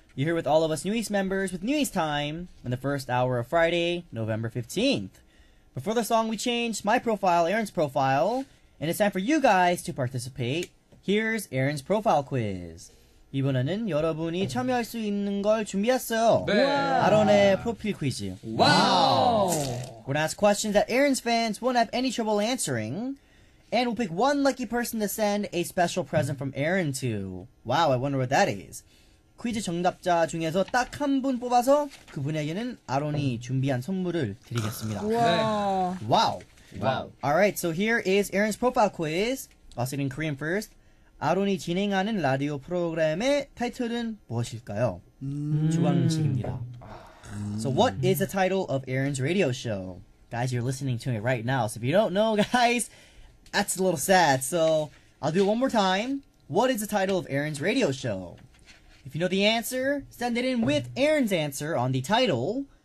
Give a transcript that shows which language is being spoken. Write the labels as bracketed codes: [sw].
[en] You're here with all of us New East members with New East Time in the first hour of Friday, November 15th. Before the song, we changed my profile, Aaron's profile, and it's time for you guys to participate. Here's Aaron's profile quiz. [ko] 이번에는 여러분이 참여할 수 있는 걸 준비했어요. 네. 아론의 프로필 퀴즈. 와우! [en] We're going to ask questions that Aaron's fans won't have any trouble answering. And we'll pick one lucky person to send a special present from Aaron to. Wow, I wonder what that is. [ko] 퀴즈 정답자 중에서 딱 한 분 뽑아서 그분에게는 아론이 준비한 선물을 드리겠습니다. 네. [en] Wow. Wow. Alright, so here is Aaron's profile quiz. I'll say it in Korean first. [ko] 아론이 진행하는 라디오 프로그램의 타이틀은 무엇일까요? 주관식입니다. [en] So what is the title of Aaron's radio show? Guys, you're listening to it right now. So if you don't know, guys, that's a little sad. So I'll do it one more time. What is the title of Aaron's radio show? If you know the answer, send it in with Aaron's answer on the title.